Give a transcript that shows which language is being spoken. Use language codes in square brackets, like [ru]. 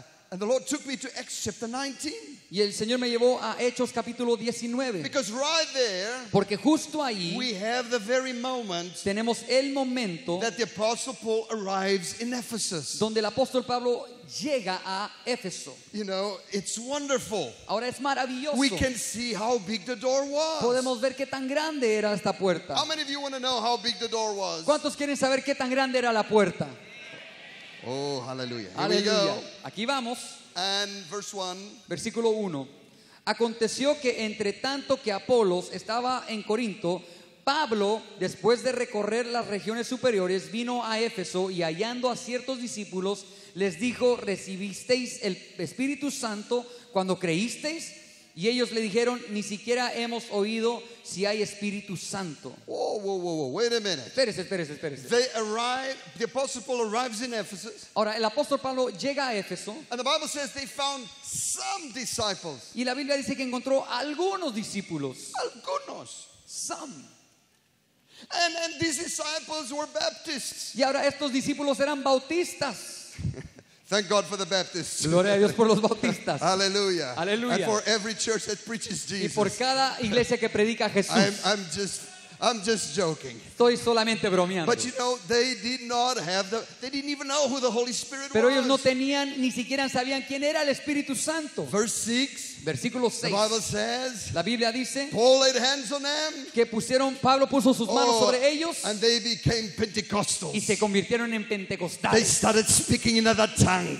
[en] And the Lord took me to Acts chapter 19. [es] Y el Señor me llevó a Hechos capítulo 19. [en] Because right there, [es] porque justo ahí, [en] we have the very moment, [es] tenemos el momento, [en] that the Apostle Paul arrives in Ephesus. [es] Donde el apóstol Pablo llega a Éfeso. [en] You know, it's wonderful. [es] Ahora es maravilloso. [en] We can see how big the door was. [es] Podemos ver qué tan grande era esta puerta. [en] How many of you want to know how big the door was? [es] ¿Cuántos quieren saber qué tan grande era la puerta? Oh, hallelujah. [en] Here we go. [es] Aquí vamos. [en] And verse 1. [es] Versículo 1. Aconteció que entre tanto que Apolos estaba en Corinto, Pablo, después de recorrer las regiones superiores, vino a Éfeso y hallando a ciertos discípulos, les dijo, ¿recibisteis el Espíritu Santo cuando creísteis? Y ellos le dijeron, ni siquiera hemos oído si hay Espíritu Santo. [en] Whoa, wait a minute. [es] Espérese. [en] The Apostle Paul arrives in Ephesus. [es] Ahora, el apóstol Pablo llega a Éfeso. [en] And the Bible says they found some disciples. [es] Y la Biblia dice que encontró algunos discípulos. Algunos. [en] Some. And these disciples were Baptists. [es] Y ahora estos discípulos eran bautistas. [en] Thank God for the Baptists. [es] Gloria a Dios por los bautistas. Hallelujah. Hallelujah. [en] And for every church that preaches Jesus. [es] Y por cada iglesia que predica a Jesús. [en] I'm just joking. [es] Estoy solamente bromeando. [en] But you know, they didn't even know who the Holy Spirit was. [es] Pero ellos no tenían, ni siquiera sabían quién era el Espíritu Santo. Versículo 6. [en] The Bible says. [es] La Biblia dice. [en] Paul laid hands on them. [es] Que pusieron, Pablo puso sus manos sobre ellos. [en] And they became Pentecostals. [es] Y se convirtieron en pentecostales. [en] They started speaking in other tongues.